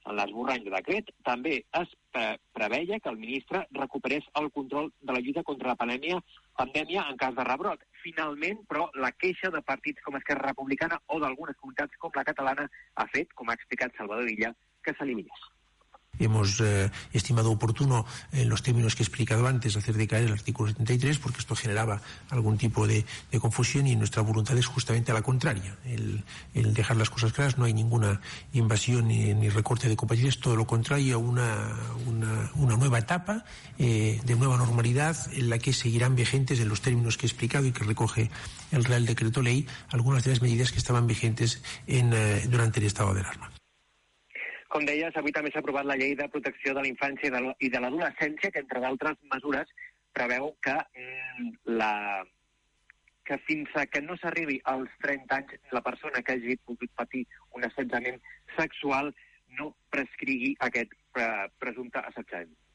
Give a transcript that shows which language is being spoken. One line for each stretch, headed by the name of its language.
Catalan: En l'esborrany de decret també es preveia que el ministre recuperés el control de la lluita contra la pandèmia en cas de rebrot. Finalment, però, la queixa de partits com Esquerra Republicana o d'algunes comunitats com la catalana ha fet, com ha explicat Salvador Illa, que s'eliminés.
Spanish: Hemos estimado oportuno en los términos que he explicado antes hacer decaer el artículo 73 porque esto generaba algún tipo de confusión y nuestra voluntad es justamente a la contraria, el dejar las cosas claras. No hay ninguna invasión ni recorte de competencias, todo lo contrario, una nueva etapa de nueva normalidad en la que seguirán vigentes en los términos que he explicado y que recoge el Real Decreto Ley algunas de las medidas que estaban vigentes durante el estado de alarma.
Catalan: Com deies, avui també s'ha aprovat la llei de protecció de la infància i de l'adolescència, que, entre d'altres mesures, preveu que fins a que no s'arribi als 30 anys la persona que hagi pogut patir un assetjament sexual no prescrigui aquest presumpte assetjament.